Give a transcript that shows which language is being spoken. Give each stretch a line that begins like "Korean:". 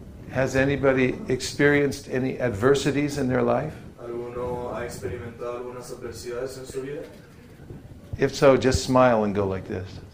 English: Has anybody experienced any adversities in their life?
Spanish: ¿Alguno ha experimentado algunas adversidades en su vida?
English: If so, just smile and go like this.